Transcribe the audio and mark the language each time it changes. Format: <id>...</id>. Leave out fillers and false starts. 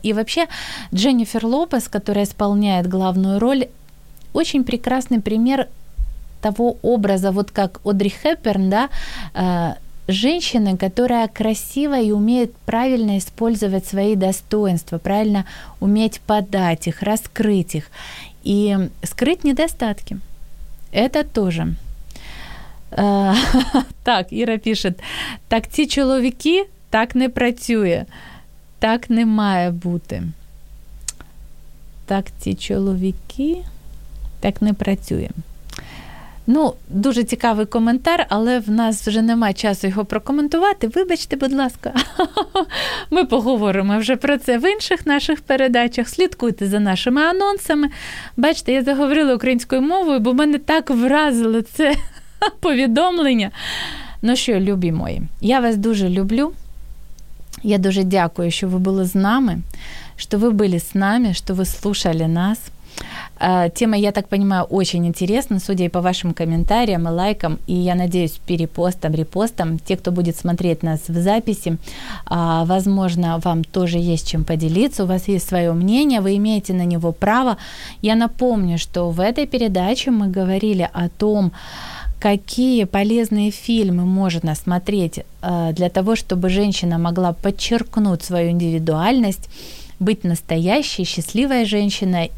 <ru>И вообще Дженнифер Лопес, которая исполняет главную роль, очень прекрасный пример того образа, вот как Одри Хепберн, да, женщины, которая красива и умеет правильно использовать свои достоинства, правильно уметь подать их, раскрыть их и скрыть недостатки. Это тоже.</ru> <uk>Так, Іра пише, так ці чоловіки так не працює, так не має бути. Так ці чоловіки так не працює. Ну, дуже цікавий коментар, але в нас вже немає часу його прокоментувати. Вибачте, будь ласка. Ми поговоримо вже про це в інших наших передачах. Слідкуйте за нашими анонсами. Бачите, я заговорила українською мовою, бо мене так вразило це повідомлення. Ну що, любі мої, я вас дуже люблю. Я дуже дякую, що ви були з нами, що ви були з нами, що ви слухали нас.</uk> <ru>Тема, я так понимаю, очень интересна, судя и по вашим комментариям и лайкам, и я надеюсь, перепостам, репостам, те, кто будет смотреть нас в записи, возможно, вам тоже есть чем поделиться, у вас есть свое мнение, вы имеете на него право. Я напомню, что в этой передаче мы говорили о том, какие полезные фильмы можно смотреть для того, чтобы женщина могла подчеркнуть свою индивидуальность, быть настоящей, счастливой женщиной.</ru>